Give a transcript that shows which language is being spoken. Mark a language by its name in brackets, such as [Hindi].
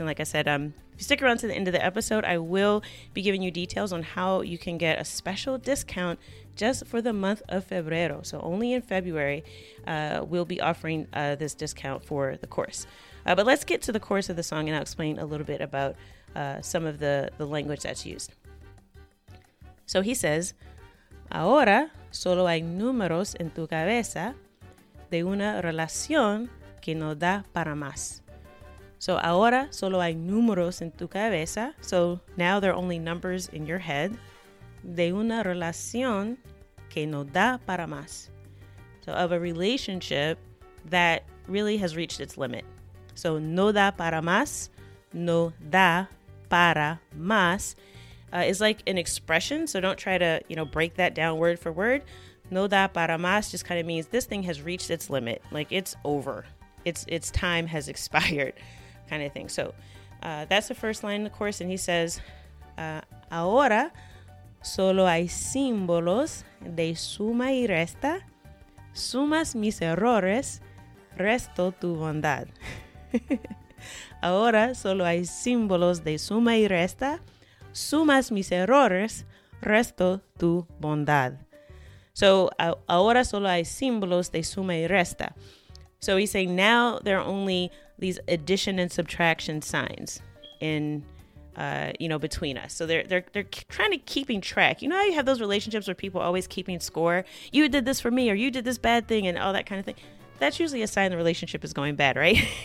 [English] And like I said, if you stick around to the end of the episode, I will be giving you details on how you can get a special discount just for the month of Febrero. So only in February we'll be offering this discount for the course. But let's get to the chorus of the song and I'll explain a little bit about some of the language that's used. So he says, [Spanish] ahora solo hay números en tu cabeza de una relación que no da para más. So ahora solo hay números en tu cabeza. [English] So now there are only numbers in your head. [Spanish] De una relación que no da para más. [English] So of a relationship that really has reached its limit. [Spanish] So no da para más. No da para más. [English] Is like an expression, so don't try to, you know, break that down word for word. [Spanish] No da para más [English] just kind of means this thing has reached its limit, like it's over, its time has expired, kind of thing. So that's the first line in the course, and he says, [Spanish] ahora solo hay símbolos de suma y resta. Sumas mis errores, resto tu bondad. Ahora solo hay símbolos de suma y resta. Sumas mis errores, resto tu bondad. So, ahora solo hay símbolos de suma y resta. [English] So, he's saying now there are only these addition and subtraction signs in, you know, between us. So, they're trying to keeping track. You know how you have those relationships where people are always keeping score? You did this for me, or you did this bad thing, and all that kind of thing. That's usually a sign the relationship is going bad, right?